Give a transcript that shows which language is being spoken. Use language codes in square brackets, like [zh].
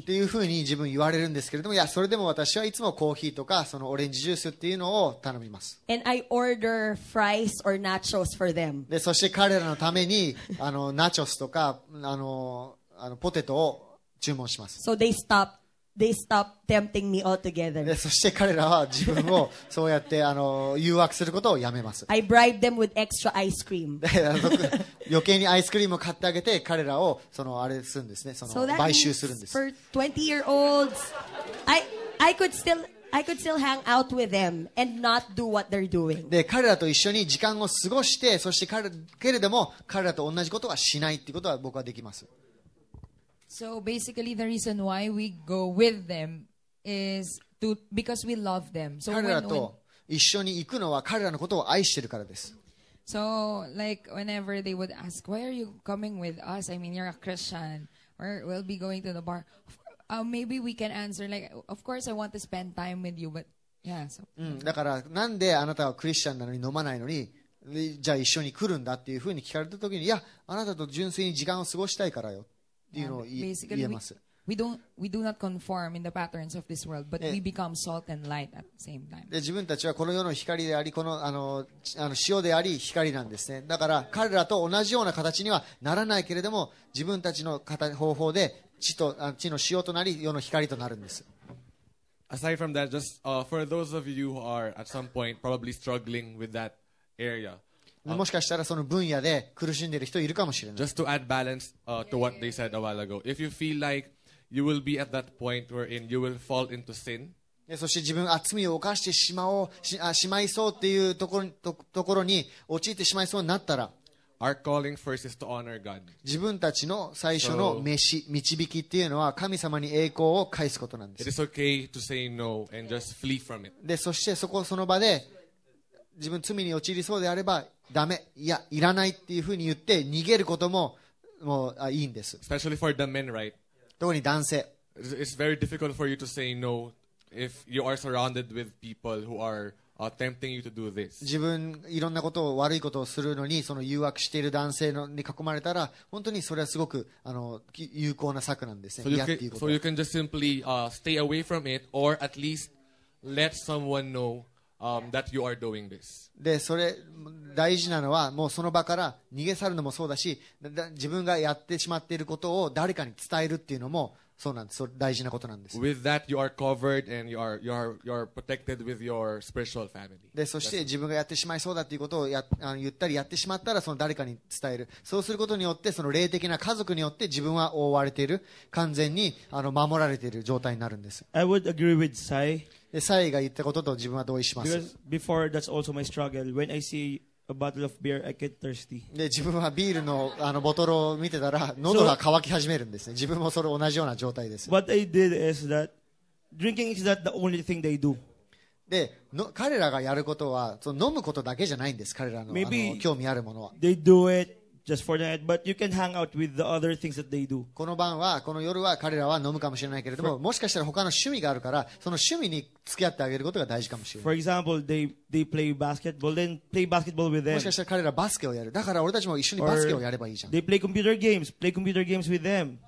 [ja] っていうふうに自分言われるんですけれども、いやそれでも私はいつもコーヒーとかそのオレンジジュースっていうのを頼みます。 [en] And I order fries or nachos for them. [ja] でそして彼らのためにナチョスとかポテトを注文します。 [en] So they stopThey stop tempting me altogether. [ja] そして彼らは自分をそうやって誘惑することをやめます。 [en] I bribe them with extra ice cream. [ja] 余計にアイスクリームを買ってあげて彼らをそのあれするんですね。その買収するんです。 [en] So that means for 20-year-olds, I could still hang out with them and not do what they're doing. [ja] で彼らと一緒に時間を過ごして、そして彼けれども彼らと同じことはしないっていうことは僕はできます。 [en] So basically the reason why we go with them is to, because we love them. So [ja] 彼らと一緒に行くのは彼らのことを愛してるからです。 [en] So like whenever they would ask, why are you coming with us? I mean, you're a Christian. We'll be going to the bar. Maybe we can answer like, of course I want to spend time with you, but yeah. So. [ja] だからなんであなたはクリスチャンなのに飲まないのに、じゃあ一緒に来るんだっていうふうに聞かれた時に、いや、あなたと純粋に時間を過ごしたいからよ。 [en] Basically, we do not conform in the patterns of this world, but we become salt and light at the same time. [ja] で自分たちはこの世の光であり、この塩であり光なんですね。だから彼らと同じような形にはならないけれども、自分たちの方法で地の塩となり世の光となるんです。 [en] Aside from that, just for those of you who are at some point probably struggling with that area. [ja] もしかしたらその分野で苦しんでいる人いるかもしれない。 [en] Just to add balance to what they said a while ago. If you feel like you will be at that point wherein you will fall into sin. [ja] そして自分が罪を犯してしまいそうっていうところに陥ってしまいそうになったら。 [en] Our calling first is to honor God. [ja] 自分たちの最初の召し、導きっていうのは神様に栄光を返すことなんです。 [en] It is okay to say no and just flee from it. [ja] で、そしてそこその場で自分罪に陥りそうであれば、ダメ、いや、いらないっていうふうに言って逃げることも、もう、いいんです。 [en] Especially for the men, right? [ja] 特に男性。 [en] It's very difficult for you to say no if you are surrounded with people who are, tempting you to do this. [ja] 自分いろんなことを悪いことをするのにその誘惑している男性のに囲まれたら本当にそれはすごくあの有効な策なんですね。 [en] So you can just simply stay away from it or at least let someone know that you are doing this. [ja] でそれ大事なのはもうその場から逃げ去るのもそうだし自分がやってしまっていることを誰かに伝えるっていうのもそうなんです。それ大事なことなんです。 [en] With that, you are covered and you are protected with your spiritual family. [ja] で、そして自分がやってしまいそうだということをや言ったりやってしまったらその誰かに伝える。そうすることによってその霊的な家族によって自分は覆われている、完全にあの守られている状態になるんです。 [en] I would agree with Sai. [ja] で、サイが言ったことと自分は同意します。 [en] Because before that's also my struggle. When I see a bottle of beer, I get thirsty. [ja] で、自分はビールの、あのボトルを見てたら喉が渇き始めるんですね。自分もそれ同じような状態です。 [en] What I did is that drinking is not the only thing they do. [ja] で、彼らがやることはその飲むことだけじゃないんです。彼らの、 [en] Maybe、 [ja] あの興味あるものは。 [en] They do it just for the night, but you can hang out with the other things that they do. [ja] この晩は、この夜は彼らは飲むかもしれないけれども、もしかしたら他の趣味があるから、その趣味に付き合ってあげることが大事かもしれない。 [en] For example, they play basketball, then play basketball with them. [ja] もしかしたら彼らバスケをやる。だから俺たちも一緒にバスケをやればいいじゃん。 [en] They play computer games, play computer games with them.